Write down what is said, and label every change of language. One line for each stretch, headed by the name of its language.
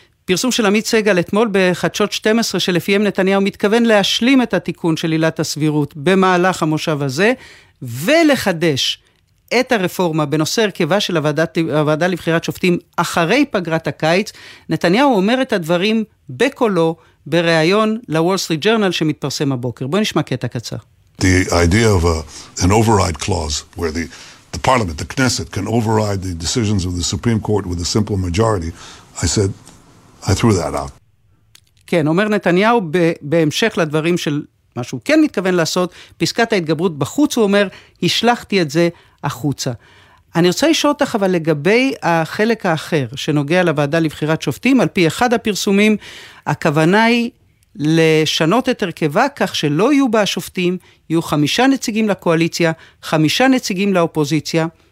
Hebrew: פרסום של עמית סגל אתמול בחדשות 12 שלפיהם נתניהו מתכוון להשלים את התיקון של עילת הסבירות במהלך המושב הזה, ולחדש את הרפורמה בנושא הרכבה של הוועדה לבחירת שופטים אחרי פגרת הקיץ, נתניהו אומר את הדברים בקולו בריאיון לוול סטריט ג'רנל שמתפרסם הבוקר. בואי נשמע קטע קצר.
English: The idea of an override clause where the parliament, the Knesset, can override the decisions of the Supreme Court with a simple majority, I said, I threw that out.
Hebrew: כן, אומר נתניהו בהמשך לדברים של מה שהוא כן מתכוון לעשות, פסקת ההתגברות בחוץ, הוא אומר, השלחתי את זה החוצה. אני רוצה לשאול אותך אבל לגבי החלק האחר, שנוגע לוועדה לבחירת שופטים, על פי אחד הפרסומים, הכוונה היא לשנות את הרכבה, כך שלא יהיו בה שופטים, יהיו 5 נציגים לקואליציה, 5 נציגים לאופוזיציה.